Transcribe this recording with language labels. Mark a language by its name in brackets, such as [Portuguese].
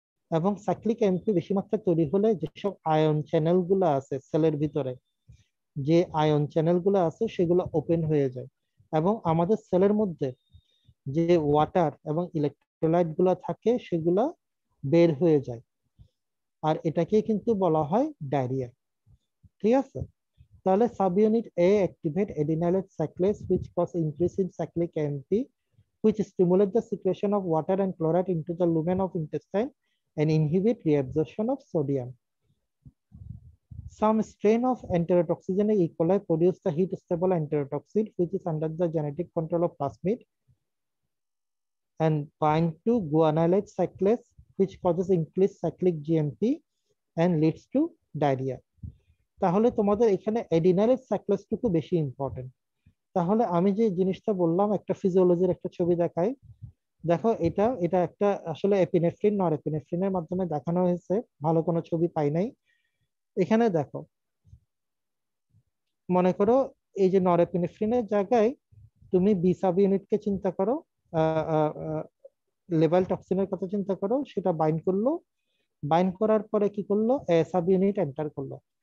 [Bangla] এবং cyclic AMP বেশি মাত্রায় তৈরি হলে যেসব আয়ন চ্যানেল গুলো আছে সেলের ভিতরে, যে আয়ন চ্যানেল গুলো আছে সেগুলো ওপেন হয়ে যায়, এবং আমাদের সেলের মধ্যে যে ওয়াটার এবং ইলেকট্রোলাইট গুলো থাকে সেগুলো বের হয়ে যায়, আর এটাকে কিন্তু বলা হয় ডায়রিয়া, ঠিক আছে। [English] তাহলে subunit A activate adenylate cyclase which cause increase in cyclic AMP which stimulate the secretion of water and chloride into the lumen of intestine and inhibit reabsorption of sodium. Some strain of enterotoxin E. coli produce the heat stable enterotoxin which is under the genetic control of plasmid and bind to guanylate cyclase which causes increased cyclic GMP and leads to diarrhea. [Bangla] তাহলে তোমাদের এখানে adenylate cyclase টুকু বেশি important. তাহলে আমি যে জিনিসটা বললাম, একটা ফিজিওলজির একটা ছবি দেখাই, দেখো এটা এটা একটা আসলে এপিনেফ্রিন নর এপিনেফ্রিনের মাধ্যমে দেখানো হয়েছে, ভালো কোনো ছবি পাই নাই। এখানে দেখো, মনে করো এই যে নর এপিনেফ্রিনের জায়গায় তুমি বি সাব ইউনিটকে চিন্তা করো, লেভেল টক্সিনের কথা চিন্তা করো, সেটা বাইন্ড করলো, বাইন্ড করার পরে কি করলো, এ সাব ইউনিট এন্টার করলো।